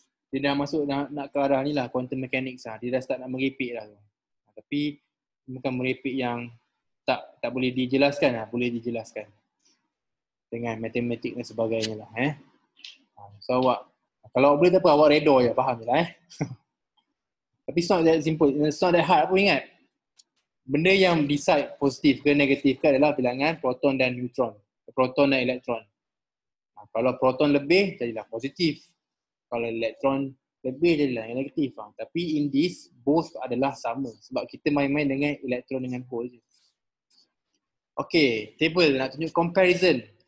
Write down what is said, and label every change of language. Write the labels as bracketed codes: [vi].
[ms] Dia dah masuk nak ke arah ni lah, quantum mechanics lah. Dia dah start nak merepek lah. Tapi bukan merepek yang tak boleh dijelaskan lah. Boleh dijelaskan dengan matematik dan sebagainya lah. So awak, kalau boleh tak apa, awak redo je, faham je lah eh. Tapi [en] it's not that simple, it's not that hard [ms] pun ingat. Benda yang decide positif ke negatif ke adalah bilangan proton dan neutron. Proton dan elektron. Kalau proton lebih, jadilah positif. Kalau elektron lebih, jadilah negatif. Tapi [en] in this, both [ms] adalah sama. Sebab kita main-main dengan elektron dengan hole je. Okay, table nak tunjuk comparison.